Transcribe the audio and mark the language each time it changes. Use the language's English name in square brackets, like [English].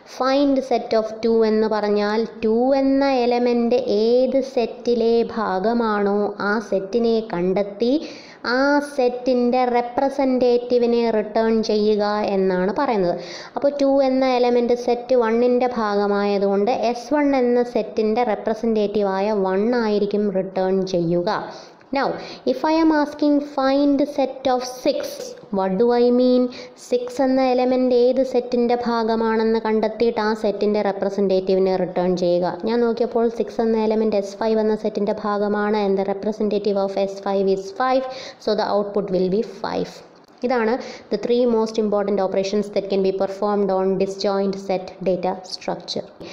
[Malayalam] Find set of two എന്ന് പറഞ്ഞാൽ to എന്ന എലമെൻ്റ് ഏത് സെറ്റിലെ ഭാഗമാണോ ആ സെറ്റിനെ കണ്ടെത്തി ആ സെറ്റിൻ്റെ റെപ്രസെൻറ്റേറ്റീവിനെ റിട്ടേൺ ചെയ്യുക എന്നാണ് പറയുന്നത്. അപ്പോൾ ടു എന്ന എലമെൻ്റ് സെറ്റ് വണ്ണിൻ്റെ ഭാഗമായതുകൊണ്ട് എസ് വൺ എന്ന സെറ്റിൻ്റെ റെപ്രസെൻറ്റേറ്റീവായ വണ്ണായിരിക്കും റിട്ടേൺ ചെയ്യുക. [English] Now, if I am asking find set of 6, what do I mean? [Malayalam] 6 എന്ന എലമെൻ്റ് ഏത് സെറ്റിൻ്റെ ഭാഗമാണെന്ന് കണ്ടെത്തിയിട്ട് ആ സെറ്റിൻ്റെ റെപ്രസെൻറ്റേറ്റീവിനെ റിട്ടേൺ ചെയ്യുക. ഞാൻ നോക്കിയപ്പോൾ 6 എന്ന എലമെൻ്റ് എസ് ഫൈവ് എന്ന സെറ്റിൻ്റെ ഭാഗമാണ്. എൻ്റെ [English] Representative of S five is five, so the output will be five. [Malayalam] ഇതാണ് [English] The three most important operations that can be performed on disjoint set data structure.